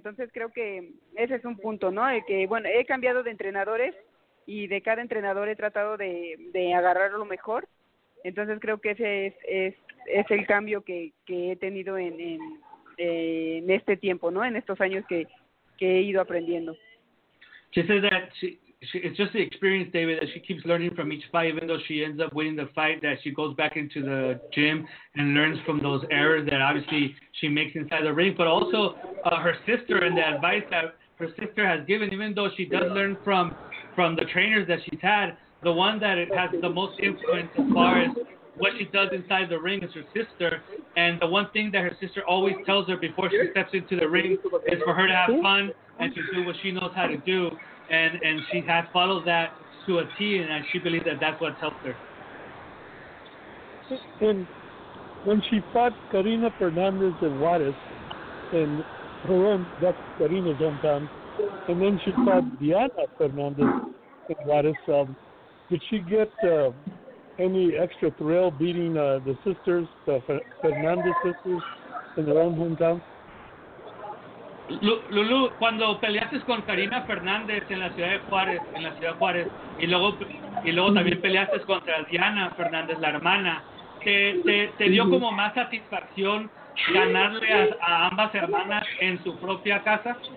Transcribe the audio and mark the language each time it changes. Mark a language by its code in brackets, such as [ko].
[es] Entonces creo que ese es un punto, ¿no? El que, bueno, he cambiado de entrenadores y de cada entrenador he tratado de agarrar lo mejor. Entonces creo que ese es el cambio que he tenido en este tiempo, ¿no? En estos años que he ido aprendiendo. [en] She says that it's just the experience, David, that she keeps learning from each fight, even though she ends up winning the fight, that she goes back into the gym and learns from those errors that obviously she makes inside the ring, but also her sister and the advice that her sister has given, even though she does learn from the trainers that she's had, the one that has the most influence as far as what she does inside the ring is her sister. And the one thing that her sister always tells her before she steps into the ring is for her to have fun and to do what she knows how to do. And she has followed that to a T, and she believes that that's what helped her. And when she fought Karina Fernandez and Juarez, and her own, that's Karina's hometown, and then she fought Diana Fernandez and Juarez, did she get any extra thrill beating the sisters, the Fernandez sisters, in their own hometown? [es] Lulu, cuando peleaste con Karina Fernández en la ciudad de Juárez, y luego también peleaste contra Diana Fernández, la hermana, ¿te dio como más satisfacción ganarle a ambas hermanas en su propia casa?